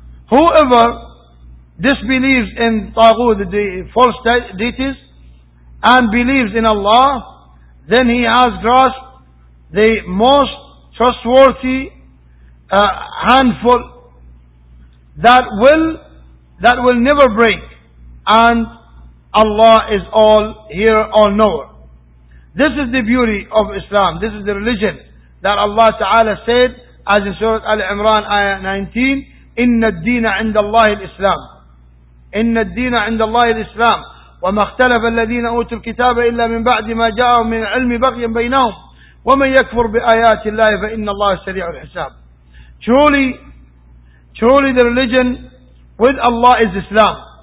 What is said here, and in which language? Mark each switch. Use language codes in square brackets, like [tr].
[en] Whoever disbelieves in Taghut, the false deities, and believes in Allah, then he has grasped the most trustworthy handful that will never break, and Allah is all here, all knower. This is the beauty of Islam. This is the religion that Allah Ta'ala said, as in Surah Al-Imran, ayah 19, [ar] إِنَّ الدِّينَ عِنْدَ اللَّهِ الْإِسْلَامِ إِنَّ الدِّينَ عِنْدَ اللَّهِ الْإِسْلَامِ وَمَا اخْتَلَفَ الَّذِينَ أُوتُوا الْكِتَابَ إِلَّا مِنْ بَعْدِ مَا جَاءَهُ مِنْ عِلْمِ بَغْيًا بَيْنَهُمْ وَمَنْ يَكْفُرْ بِآيَاتِ اللَّهِ فَإِنَّ اللَّهَ سَرِيعُ الْحِسَابِ. [en] Truly the religion with Allah is Islam.